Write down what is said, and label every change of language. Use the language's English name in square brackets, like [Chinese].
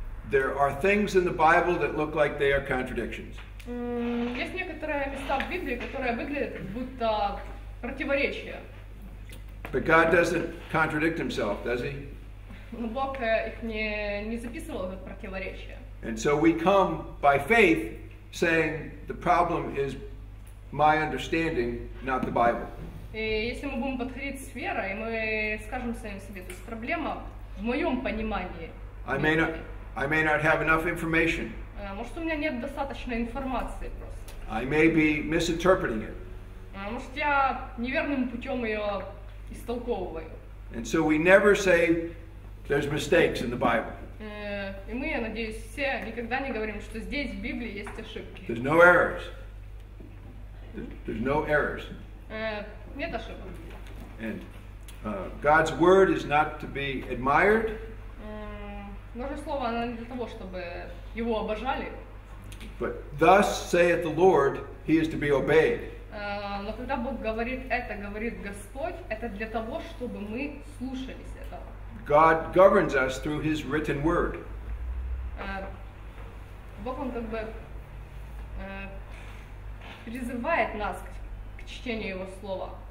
[English] There are things in the Bible that look like they are contradictions. [Russian] Есть некоторые места в Библии, которые выглядят будто противоречия. [English] But God doesn't contradict himself, does he? [Russian] Но Бог их не записывал как противоречия. [English] And so we come by faith saying the problem is my understanding, not the Bible. [Russian] И если мы будем подходить с верой, мы скажем самим себе, то есть проблема в моем понимании. [English] I may not have enough information. [Russian] Может, у меня нет достаточной информации просто. [English] I may be misinterpreting it. [Russian] Может, я неверным путем ее истолковываю. [English] And so we never say there's mistakes in the Bible. [Russian] И мы, я надеюсь, все никогда не говорим, что здесь в Библии есть ошибки. [English] There's no errors. There's no errors. [Russian] Нет ошибок. [English] And God's word is not to be admired. [Russian] Божье слово, оно не для того, чтобы его обожали. [English] But thus saith the Lord, he is to be obeyed. [Russian] Но когда Бог говорит Господь, это для того, чтобы мы слушались этого. [English] God governs us through his written word. [Russian] Бог, он как бы призывает нас к чтению его слова.